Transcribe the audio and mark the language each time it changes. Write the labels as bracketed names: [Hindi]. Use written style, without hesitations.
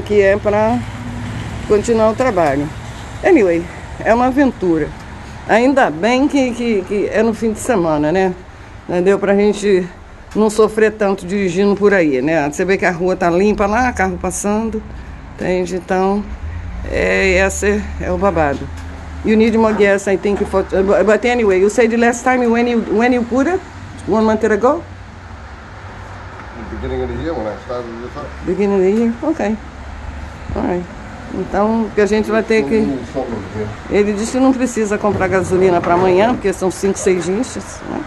[Portuguese] Que é pra continuar o trabalho. Anyway, é uma aventura. Ainda bem que é no fim de semana, né? Entendeu? Pra gente não sofrer tanto dirigindo por aí, né? Você vê que a rua tá limpa lá, carro passando. Entende? Então... é, esse é o babado. [English] You need more gas, I think, but anyway, you said the last time when you put it, 1 month ago? Beginning of the year, when I started this up. Beginning of the year, ok. Alright. [Portuguese] Então, que a gente vai ter que... ele disse que não precisa comprar gasolina para amanhã, porque são 5, 6 inches.